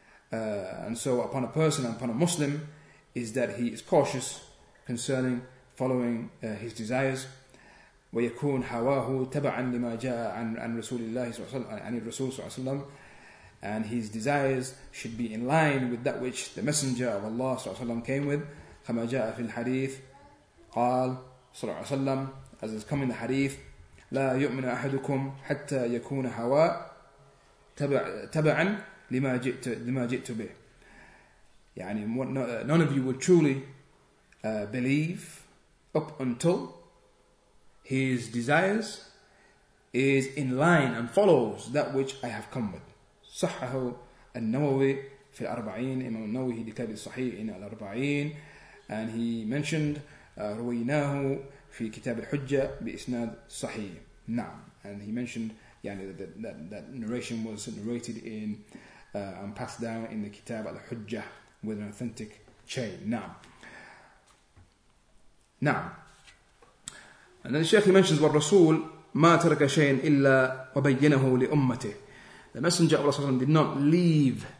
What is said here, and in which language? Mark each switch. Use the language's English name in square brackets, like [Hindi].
[English] And so upon a person, upon a Muslim, is that he is cautious concerning following his desires. [Arabic] وَيَكُونْ هَوَاهُ تَبَعًا لِمَا جَاءَ عَنْ رَسُولِ اللَّهِ صَلَّى اللَّهُ عَلَيْهِ وَسَلَّمَ. [English] And his desires should be in line with that which the Messenger of Allah [Arabic] صلى الله عليه وسلم [English] came with. [Arabic] كما جاء في الحديث قال صلى الله عليه وسلم, [English] as has come in the hadith, [Arabic] لا يؤمن أحدكم حتى يكون هواء تبعا لما جئت به. [English] None of you will truly believe up until his desires is in line and follows that which I have come with. [Arabic] صحه النووي في الأربعين. إمام النووي في كتابه الصحيح إن الأربعين. [English] And he mentioned [Arabic] رويناه في كتاب الحجة بإسناد صحيح. نعم. [English] And he mentioned that narration was narrated in and passed down in the كتاب الحجة with an authentic chain. [Arabic] نعم. [English] And then the Sheikh mentions [Arabic] والرسول ما ترك شيئا إلا وبينه لأمته. [English] The Messenger of Allah did not leave